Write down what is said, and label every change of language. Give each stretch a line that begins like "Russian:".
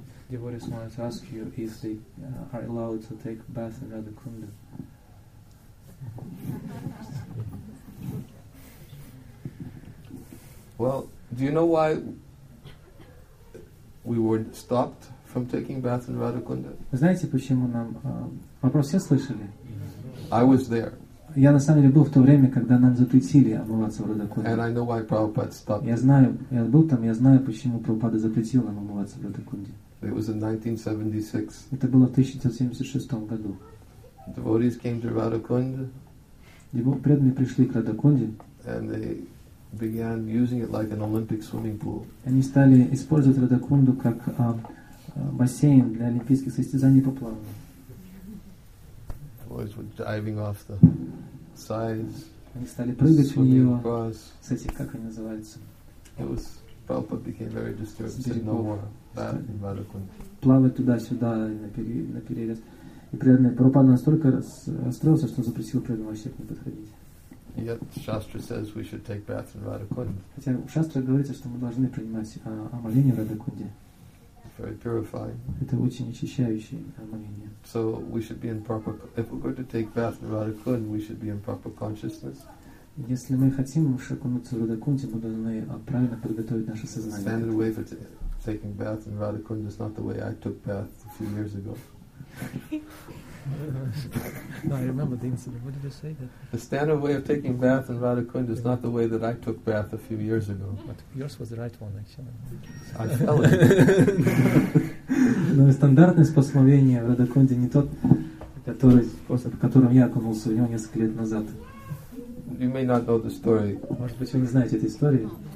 English: Devotees wanted to ask you if they are allowed to take bath in Radha Kunda. Well, do you know why we were stopped from taking bath in Radha Kunda?
Russian: Знаете, почему нам вопрос все слышали?
English: I was there.
Russian: Я на самом деле был в то время, когда нам запретили омываться в Радакунде.
English: And I know why Prabhupada stopped.
Russian: Я знаю, я был там, я знаю, почему Прабхупада запретил нам омываться в Радакунде.
English: It was in 1976.
Russian: Это было в 1976 году.
English: Devotees came to Radakunda.
Russian: Преданные пришли к Радакунде.
English: And they began using it like an Olympic swimming pool.
Russian: Они стали использовать Радакунду как бассейн для олимпийских состязаний по плаванию.
English: Boys were diving off the sides.
Russian: Они стали прыгать в нее. С этих, как они называются?
English: It was, Prabhupada became very disturbed. Said no more bath in Radha Kunda.
Russian: Плавать туда-сюда на перерез. И преданный Прабхупада настолько расстроился, что запретил преданным вообще к ним подходить.
English: Yet Shastra says we should take bath in Radha Kunda.
Russian: Хотя Шастра говорит, что мы должны принимать омовение в Радха Кунде.
English: Very purifying.
Russian: Это очень очищающее омовение.
English: So we should be in proper. If we're going to take bath in Radha Kunda, we should be in proper consciousness.
Russian: Если мы хотим окунуться в Радха Кунде, мы должны правильно подготовить наше сознание.
English: The standard way for taking bath in Radha Kunda is not the way I took bath a few years ago. No, I remember the incident. What did you say? That? The standard way of taking bath in Radha Kunda is not the way that I took bath a few years ago. But yours was the right one, actually. I fell in.
Russian: Но стандартное способовение в Радха Кунде не тот, в котором я окунулся у него несколько лет назад.
English: You may not know the story.
Russian: Может быть, вы не знаете этой истории?